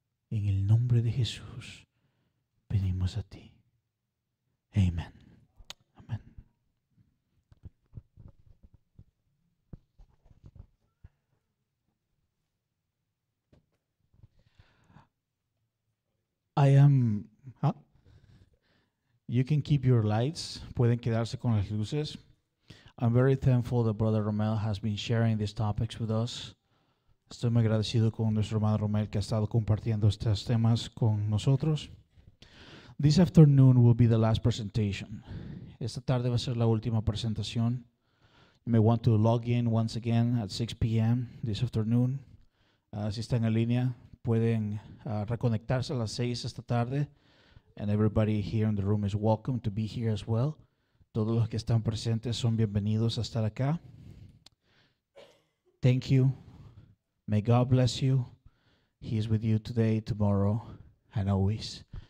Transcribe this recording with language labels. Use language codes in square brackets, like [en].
[es] En el nombre de Jesús, venimos a ti. Amen. [en] I am, huh? You can keep your lights. [es] Pueden quedarse con las luces. [en] I'm very thankful that Brother Rommel has been sharing these topics with us. [es] Estoy muy agradecido con nuestro hermano Rommel que ha estado compartiendo estos temas con nosotros. [en] This afternoon will be the last presentation. [es] Esta tarde va a ser la última presentación. [en] You may want to log in once again at 6 p.m. this afternoon. [es] Si están en línea, pueden reconectarse a las 6 esta tarde. [en] And everybody here in the room is welcome to be here as well. [es] Todos los que están presentes son bienvenidos a estar acá. [en] Thank you. May God bless you. He is with you today, tomorrow, and always.